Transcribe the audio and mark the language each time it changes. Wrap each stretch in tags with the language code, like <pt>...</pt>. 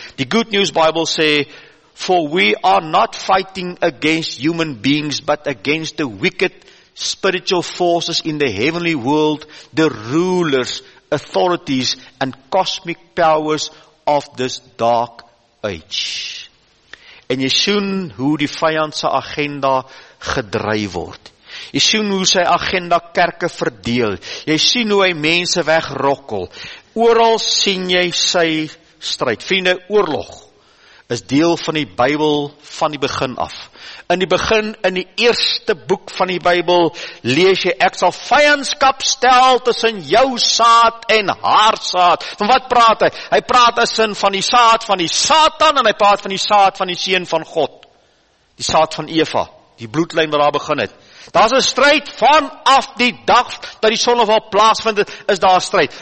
<af>Die Good News Bible sê,</af> <en>for we are not fighting against human beings, but against the wicked spiritual forces in the heavenly world, the rulers, authorities, and cosmic powers of this dark age.</en> <af>En jy sien hoe die vyand se agenda gedryf word. Jy sien hoe sy agenda kerke verdeel. Jy sien hoe hy mense wegrokkel. Oral sien jy sy stryd. Vriende, oorlog is deel van die Bybel van die begin af. In die begin, in die eerste boek van die Bybel, lees jy, ek sal vyandskap stel tussen jou saad en haar saad. Van wat praat hy? Hy praat as in van die saad van die Satan, en hy praat van die saad van die Seun van God. Die saad van Eva, die bloedlyn wat daar begin het. Daar is een strijd vanaf die dag dat die son of al plaasvind, is daar een strijd.</af>